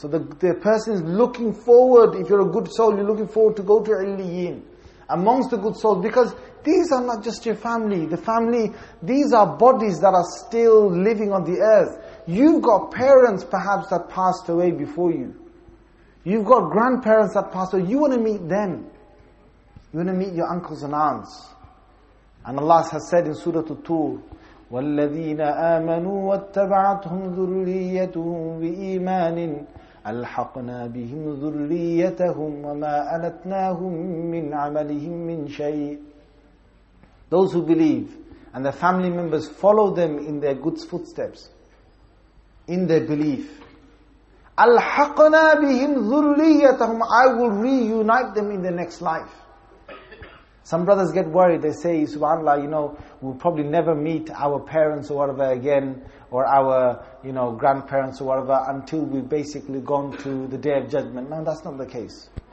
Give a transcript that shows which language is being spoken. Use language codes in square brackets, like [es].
[en] So the person is looking forward, if you're a good soul, you're looking forward to go to Illiyin, amongst the good souls, because these are not just your family. The family, these are bodies that are still living on the earth. You've got parents perhaps that passed away before you. You've got grandparents that passed away. You want to meet them. You want to meet your uncles and aunts. And Allah has said in Surah At-Tur, [ar] وَالَّذِينَ آمَنُوا وَاتَّبَعَتْهُمْ ذُرِّيَّتُهُمْ بِإِيمَانٍ أَلْحَقْنَا بِهِمْ ذُرِّيَّتَهُمْ وَمَا أَلَتْنَاهُمْ مِنْ عَمَلِهِمْ مِنْ شَيْءٍ. [en] Those who believe and their family members follow them in their good footsteps, in their belief. [ar] أَلْحَقْنَا بِهِمْ ذُرِّيَّتَهُمْ. [en] I will reunite them in the next life. Some brothers get worried, they say, subhanAllah, you know, we'll probably never meet our parents or whatever again, or our, you know, grandparents or whatever, until we've basically gone to the Day of Judgment. No, that's not the case.